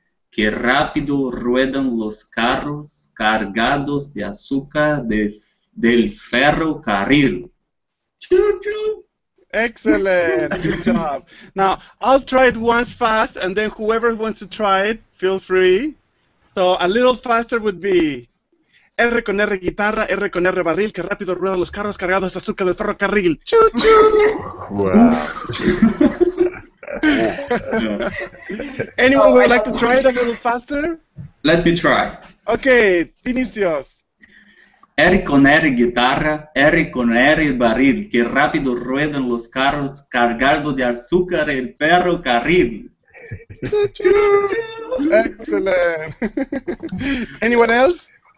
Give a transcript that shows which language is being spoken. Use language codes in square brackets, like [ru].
[es] Que rápido ruedan los carros cargados de azúcar del ferrocarril. [en] Excellent. Good job. Now, I'll try it once fast, and then whoever wants to try it, feel free. So a little faster would be [es] R con R, guitarra. R con R, barril. Que rápido ruedan los carros cargados de azúcar del ferrocarril. Choo-choo. Wow. [en] Anyone would like to try it a little faster? Let me try. Okay, Vinicius. [es] Ericoneri guitarra, Ericoneri barril, que rápido ruedan los carros cargado de azúcar el ferro carril. [en] Excellent. Anyone else?